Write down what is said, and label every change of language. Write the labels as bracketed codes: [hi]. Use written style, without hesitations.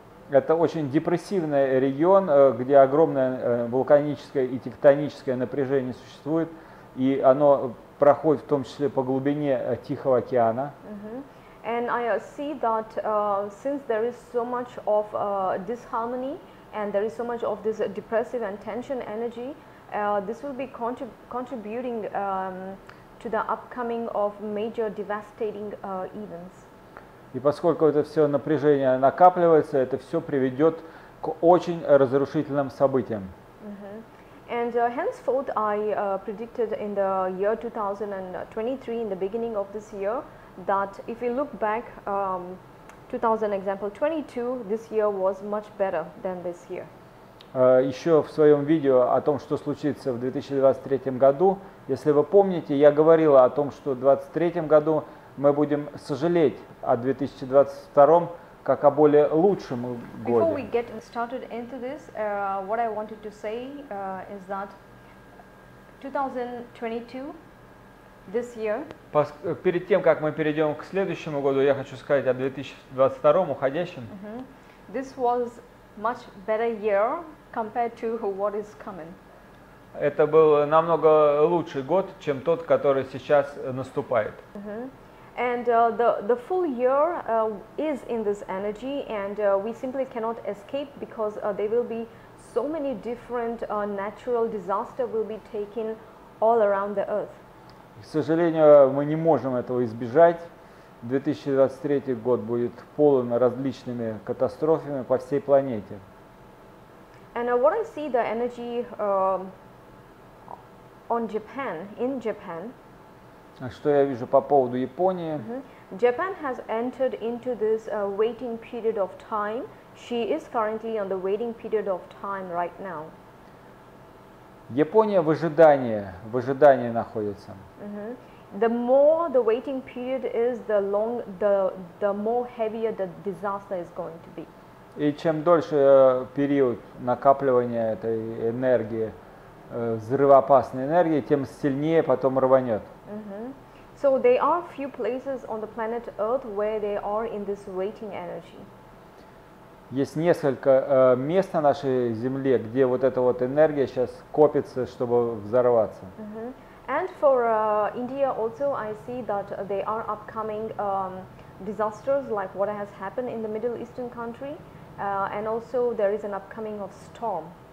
[ru] Это очень депрессивный регион, где огромное вулканическое и тектоническое напряжение существует, и оно проходит в том числе по глубине Тихого океана. [en] And I see that since there is so much of disharmony and there is so much of this depressive and tension energy, this will be contributing to the upcoming of major devastating events. [ru] И поскольку это все напряжение накапливается, это все приведет к очень разрушительным событиям. [en] And henceforth, I predicted in the year 2023, in the beginning of this year, that if we look back, 2022, this year was much better than this year. [ru] Еще в своем видео о том, что случится в 2023 году, если вы помните, я говорила о том, что в 2023 году мы будем сожалеть о 2022 как о более лучшем годе. [en] Before we get started into this, what I wanted to say is that 2022, this year. [ru] Перед тем, как мы перейдем к следующему году, я хочу сказать о 2022 уходящем. [en] This was much better year compared to what is coming. [ru] Это был намного лучший год, чем тот, который сейчас наступает. [en] And the full year is in this energy, and we simply cannot escape, because there will be so many different natural disasters will be taken all around the earth. [ru] К сожалению, мы не можем этого избежать. 2023 год будет полон различными катастрофами по всей планете. [en] And what I see the energy on Japan, in Japan. [ru] Что я вижу по поводу Японии? [en] Japan has entered into this waiting period of time. She is currently on the waiting period of time right now. [ru] Япония в ожидании находится. [en] The more the waiting period is, the long, the more heavier the disaster is going to be. [ru] И чем дольше период накапливания этой энергии, взрывоопасной энергии, тем сильнее потом рванет. [en] So there are few places on the planet Earth where they are in this waiting energy. [ru] Есть несколько мест на нашей Земле, где вот эта вот энергия сейчас копится, чтобы взорваться. [en] And for India also, I see that there are upcoming disasters like what has happened in the Middle Eastern country, and also there is an upcoming of storm.